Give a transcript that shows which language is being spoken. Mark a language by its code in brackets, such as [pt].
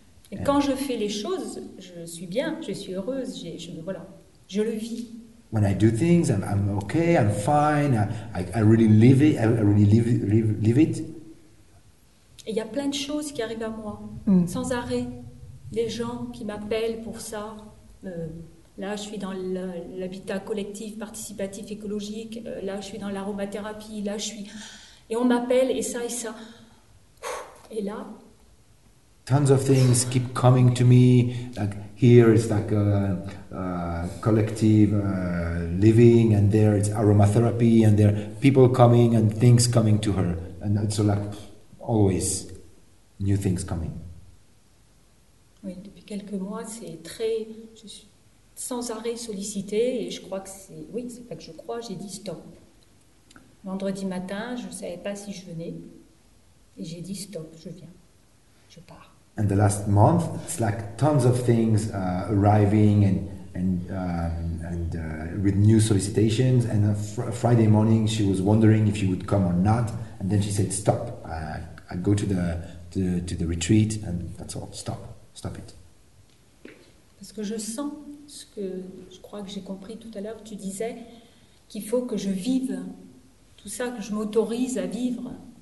[fr] Et quand je fais les choses, je suis bien, je suis heureuse, je le vis. [en] When I do things, I'm okay, I'm fine, I really live it. [fr] Et il y a plein de choses qui arrivent à moi, sans arrêt. Les gens qui m'appellent pour ça. Là, je suis dans l'habitat collectif, participatif, écologique. Là, je suis dans l'aromathérapie. Et on m'appelle, et ça. Et là... [en] Tons of things keep coming to me, like Here it's like a collective living, and there it's aromatherapy, and there are people coming and things coming to her. And it's like always new things coming. [fr] Oui, depuis quelques mois, c'est très, je suis sans arrêt sollicité, et je crois que c'est, oui, c'est pas que je crois, j'ai dit stop. Vendredi matin, je savais pas si je venais, et j'ai dit stop, je viens, je pars. [en] And the last month, it's like tons of things arriving and with new solicitations. And Friday morning, she was wondering if she would come or not. And then she said, "Stop! I go to the retreat, and that's all. Stop it." [fr] Parce que je sens ce que je crois que j'ai compris tout à l'heure. Tu disais qu'il faut que je vive tout ça, que je m'autorise à vivre.